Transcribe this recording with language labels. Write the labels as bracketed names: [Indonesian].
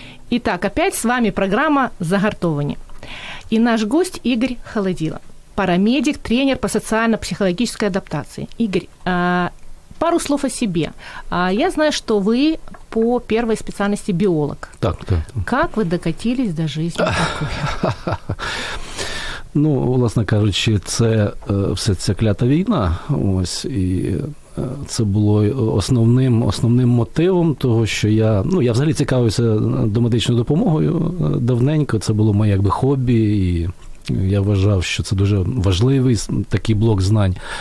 [Ukrainian] І так, [Russian] опять [Ukrainian] з вами програма «Загартовані». І наш [Russian] гость [Ukrainian] Ігор Холодило. Парамедик, тренер по соціально-психологічній адаптації. [Russian] Ігор, пару слов о себе. Я знаю, что вы по первой специальности биолог. Так, да. Как вы докатились до жизни такой? [Ukrainian] Ну, власне кажучи, це все ця клята війна. Ось, і це було основним мотивом того, що я, ну, я взагалі цікавився домедичною допомогою давненько. Це було моє якби хобі, і я вважав, що це дуже важливий такий блок знань.